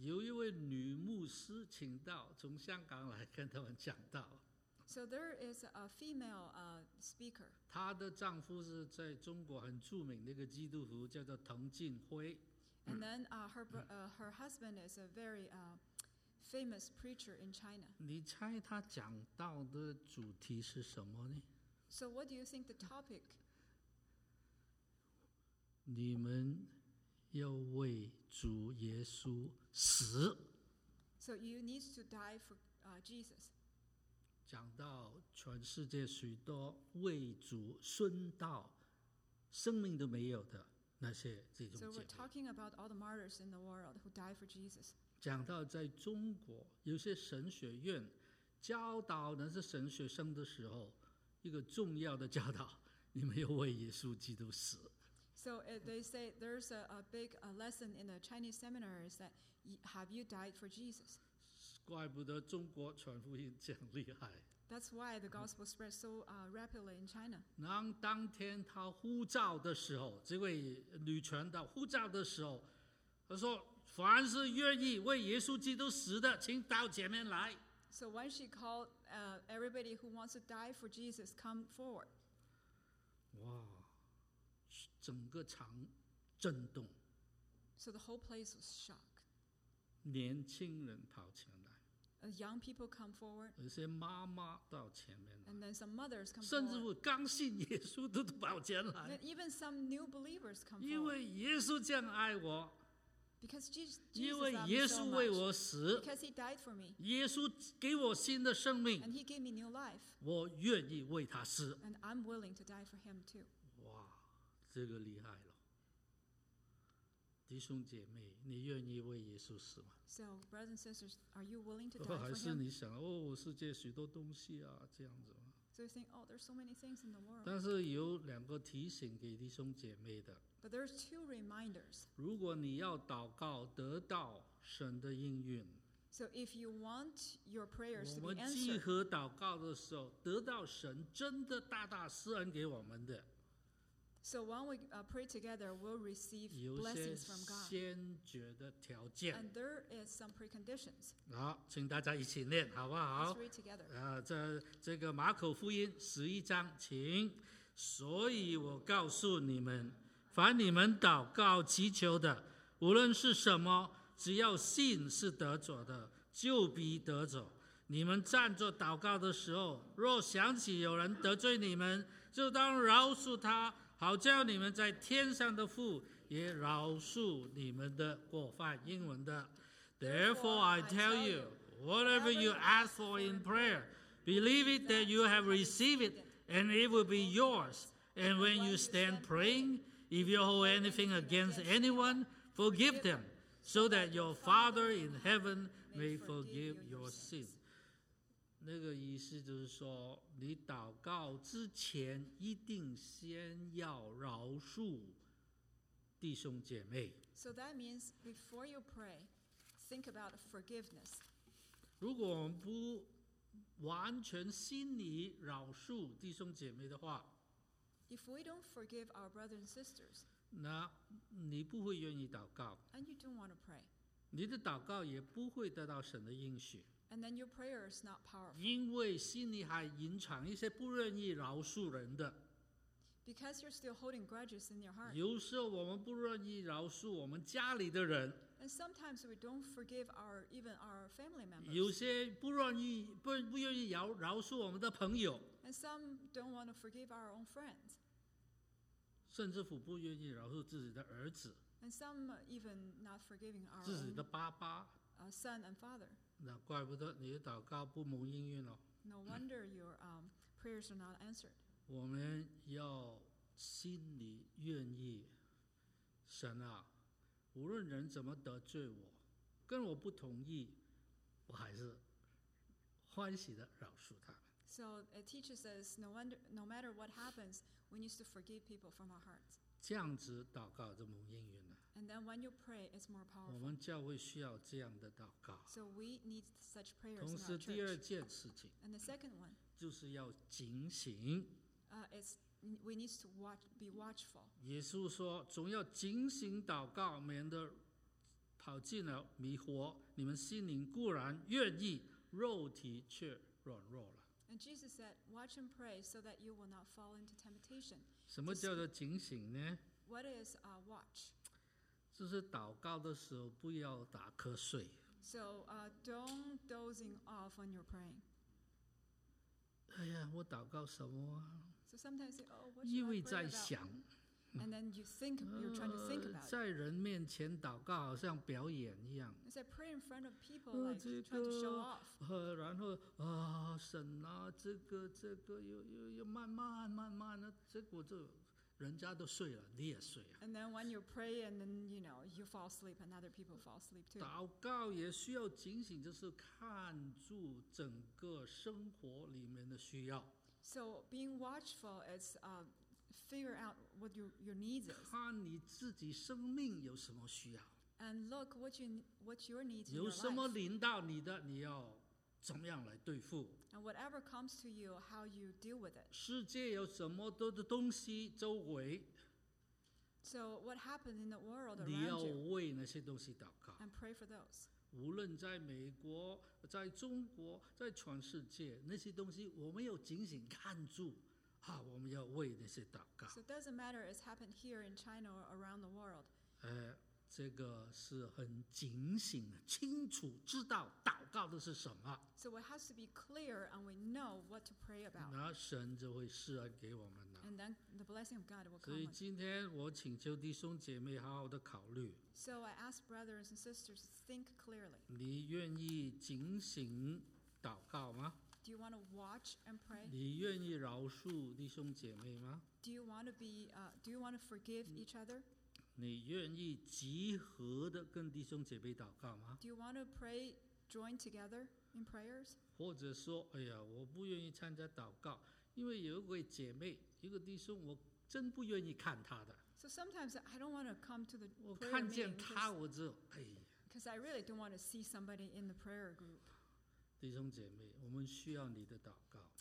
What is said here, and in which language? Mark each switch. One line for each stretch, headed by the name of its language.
Chinese: 有一位女牧师请到，从香港来跟他们讲道。
English: So there is a female speaker.
Chinese: 她的丈夫是在中国很著名的一个基督徒，叫做滕进辉。
English: And then her husband is a very famous preacher in China.
Chinese: 你猜他讲到的主题是什么呢？
English: So what do you think the topic?
Chinese: 你们要为主耶稣死。
English: So you need to die for Jesus.
Chinese: 讲到全世界许多为主殉道生命都没有的那些这种姐妹。
English: So we're talking about all the martyrs in the world who died for Jesus.
Chinese: 讲到在中国有些神学院教导那些神学生的时候，一个重要的教导，你们要为耶稣基督死。
English: So they say there's a big lesson in the Chinese seminars that have you died for Jesus?
Chinese: 怪不得中国传福音这样厉害。
English: That's why the gospel spread so rapidly in China.
Chinese: 然后当天他呼召的时候，这位女传道呼召的时候，他说凡是愿意为耶稣基督死的，请到前面来。
English: So when she called everybody who wants to die for Jesus, come forward.
Chinese: 哇，整个场震动。
English: So the whole place was shocked.
Chinese: 年轻人跑前来。
English: Young people come forward.
Chinese: 有些妈妈到前面来。
English: And then some mothers come forward.
Chinese: 甚至乎刚信耶稣都跑前来。
English: And even some new believers come forward.
Chinese: 因为耶稣这样爱我。
English: Because Jesus,
Chinese: 因为耶稣为我死，
English: because he died for me.
Chinese: 耶稣给我新的生命，
English: and he gave me new life.
Chinese: 我愿意为他死，
English: and I'm willing to die for him too.
Chinese: 哇，这个厉害了！弟兄姐妹，你愿意为耶稣死吗？
English: So, brothers and sisters, are you willing to die for him?
Chinese: 还是你想哦，世界许多东西啊，这样子吗？
English: So you think, oh, there's so many things in the world.
Chinese: 但是有两个提醒给弟兄姐妹的。
English: But there's two reminders.
Chinese: 如果你要祷告得到神的应允，
English: so if you want your prayers to be answered,
Chinese: 我们集合祷告的时候，得到神真的大大施恩给我们的。
English: So when we pray together, we'll receive blessings from God.
Chinese: 有些先决的条件。
English: And there is some preconditions.
Chinese: 好，请大家一起念，好不好？
English: Let's read together.
Chinese: 这个马可福音十一章，请。所以我告诉你们。凡你们祷告祈求的，无论是什么，只要信是得着的，就必得着。你们站着祷告的时候，若想起有人得罪你们，就当饶恕他，好叫你们在天上的父也饶恕你们的过犯。英文的
English: Therefore I tell you, whatever you ask for in prayer, believe it that you have received it, and it will be yours. And when you stand praying,If you hold anything against anyone, forgive them, so that your Father in heaven may forgive your sin.
Chinese: 那个意思就是说，你祷告之前一定先要饶恕弟兄姐妹。
English: So that means before you pray, think about forgiveness.
Chinese: 如果我们不完全心里饶恕弟兄姐妹的话，
English: If we don't forgive our brothers and sisters,
Chinese: 那你不会愿意祷告，
English: and you don't want to pray.
Chinese: 你的祷告也不会得到神的应许，
English: and then your prayer is not powerful.
Chinese: 因为心里还隐藏一些不愿意饶恕人的，
English: because you're still holding grudges in your heart.
Chinese: 有时候我们不愿意饶恕我们家里的人，
English: and sometimes we don't forgive our, even our family members.
Chinese: 有些不愿意饶恕我们的朋友。
English: And some don't want to forgive our own friends.
Chinese: 甚至乎不愿意饶恕自己的儿子。
English: And some even not forgiving our
Chinese: 自己的爸爸。
English: Son and father.
Chinese: 那怪不得你的祷告不蒙应允了。
English: No wonder your prayers are not answered.
Chinese: 我们要心里愿意，神啊，无论人怎么得罪我，跟我不同意，我还是欢喜的饶恕他们。
English: So it teaches us no matter what happens, we need to forgive people from our hearts.
Chinese: 这样子祷告就蒙应允了。
English: And then when you pray, it's more powerful.
Chinese: 我们教会需要这样的祷告。
English: So we need such prayers.
Chinese: 同时，第二件事情。
English: And the second one.
Chinese: 就是要警醒。
English: We need to be watchful.
Chinese: 耶稣说，总要警醒祷告，免得跑进了迷惑。你们心灵固然愿意，肉体却软弱了。
English: And Jesus said, watch and pray so that you will not fall into temptation.
Chinese: 什么叫做警醒呢?
English: What is a watch?
Chinese: 就是祷告的时候不要打瞌睡。
English: So, don't dozing off when you're praying.
Chinese: 哎呀,我祷告什么啊?
English: So sometimes you say, oh, what should I pray about? And then you think, you're trying to think about it.
Chinese: 在人面前祷告好像表演一样。
English: It's like pray in front of people, like trying to show off.
Chinese: 然后啊，神啊，这个又慢慢的，结果就人家都睡了，你也睡了。
English: And then when you pray, and then you know, you fall asleep, and other people fall asleep too.
Chinese: 祷告也需要警醒，就是看住整个生活里面的需要。
English: So being watchful is figure out what your needs is.
Chinese: 看你自己生命有什么需要。
English: And look what your needs are.
Chinese: 有什么临到你的，你要怎么样来对付。
English: And whatever comes to you, how you deal with it.
Chinese: 世界有什么多的东西周围。
English: So what happened in the world around you?
Chinese: 你要为那些东西祷告。
English: And pray for those.
Chinese: 无论在美国，在中国，在全世界，那些东西我们要警醒看住。啊、我们要为那些祷告。
English: So it doesn't matter it's happened here in China or around the world.
Chinese: 这个是很警醒的，清楚知道祷告的是什么。
English: So it has to be clear and we know what to pray about.
Chinese: 那神就会施恩给我们了。
English: And then the blessing of God will come.
Chinese: 所以今天我请求弟兄姐妹好好的考虑。
English: So I ask brothers and sisters to think clearly.
Chinese: 你愿意警醒祷告吗？
English: Do you want to watch and pray?
Chinese: 你愿意饶恕弟兄姐妹吗?
English: Do you want to forgive each other?
Chinese: 你愿意集合的跟弟兄姐妹祷告吗?
English: Do you want to pray, join together in prayers?
Chinese: 或者说,哎呀,我不愿意参加祷告,因为有一位姐妹,一个弟兄,我真不愿意看他的。
English: So sometimes I don't want to come to the prayer meeting.
Chinese: 我看见他,我就,哎呀。
English: Because I really don't want to see somebody in the prayer group.
Chinese: 弟兄姐妹，我们需要你的祷告。